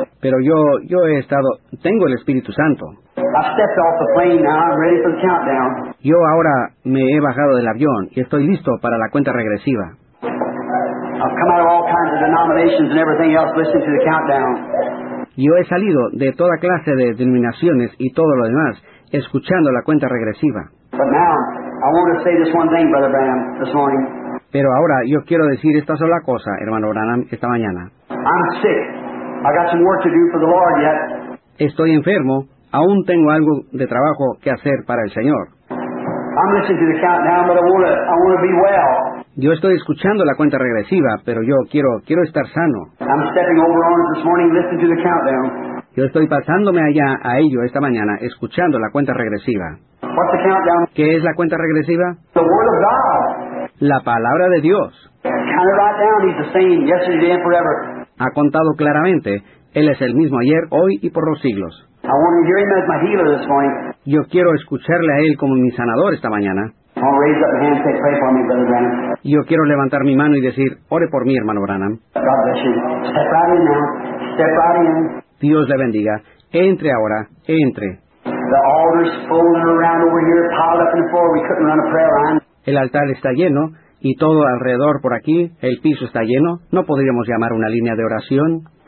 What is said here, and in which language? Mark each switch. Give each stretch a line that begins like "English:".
Spanish: Pero yo he estado, tengo el Espíritu Santo.
English: I stepped off the plane now, I'm ready for the countdown.
Spanish: Yo ahora me he bajado del avión y estoy listo para la cuenta regresiva.
English: I've come out of all kinds of denominations and everything else listening to the countdown.
Spanish: Yo he salido de toda clase de denominaciones y todo lo demás escuchando la cuenta regresiva.
English: But now, I want to say this one thing, Brother Branham, this morning.
Spanish: Pero ahora yo quiero decir esta sola cosa, hermano Branham, esta mañana.
English: I'm sick. I got some work to do for the Lord yet.
Spanish: Estoy enfermo. Aún tengo algo de trabajo que hacer para el Señor.
English: I'm listening to the countdown, but I want to be well.
Spanish: Yo estoy escuchando la cuenta regresiva, pero yo quiero estar sano.
English: I'm stepping over on it this morning, listening to the countdown.
Spanish: Yo estoy pasándome allá a ello esta mañana, escuchando la cuenta regresiva.
English: What's the countdown?
Spanish: ¿Qué es la cuenta regresiva?
English: The Word of God.
Spanish: La palabra de Dios.
English: Count it right down. He's the same yesterday and forever.
Spanish: Ha contado claramente, Él es el mismo ayer, hoy y por los siglos.
English: I want to hear him as my healer this morning.
Spanish: Yo quiero escucharle a Él como mi sanador esta mañana.
English: I'll raise up my hand and say, pray for me, Brother Branham.
Spanish: Yo quiero levantar mi mano y decir, ore por mí, hermano Branham.
English: God bless you. Step right in now. Step right in.
Spanish: Dios le bendiga. Entre ahora. Entre.
English: The altar's folding around over here, piled up in the floor. We couldn't run a prayer line.
Spanish: El altar está lleno. Y todo alrededor por aquí, el piso está lleno. No podríamos llamar una línea de oración.